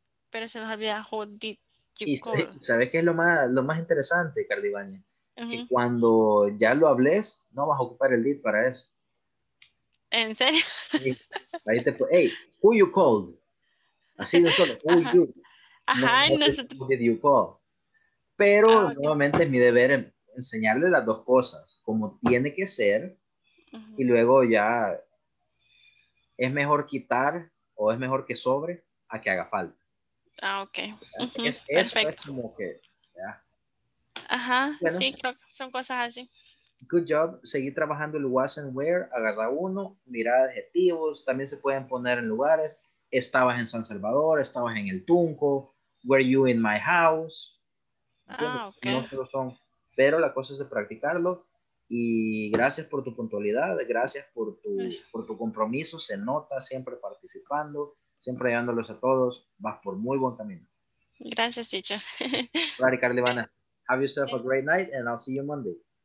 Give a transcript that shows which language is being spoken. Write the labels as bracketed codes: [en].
[es] Pero se nos olvida [en] who did you call. [es] ¿Sabes qué es lo más interesante, Carlibania? Que cuando ya lo hables, no vas a ocupar el did para eso. ¿En serio? Sí. Ahí te hey, [en] who you called. [es] Así de solo, who you. Ajá, [en] who did you call. [es] Pero nuevamente es mi deber enseñarle las dos cosas, como tiene que ser, y luego ya es mejor quitar o es mejor que sobre a que haga falta. Ah, ok. Perfecto. Como que, ya. Ajá, bueno, sí, creo que son cosas así. [en] Good job. [es] Seguí trabajando el was and where, agarra uno, mira adjetivos, también se pueden poner en lugares. Estabas en San Salvador, estabas en el Tunco, [en] were you in my house? Ah, okay. [es] Son, pero la cosa es de practicarlo y gracias por tu puntualidad, gracias por tu compromiso, se nota siempre participando, siempre ayudándolos a todos, vas por muy buen camino. Gracias, teacher. [en] Right, Carlibana, have yourself a great night and I'll see you Monday.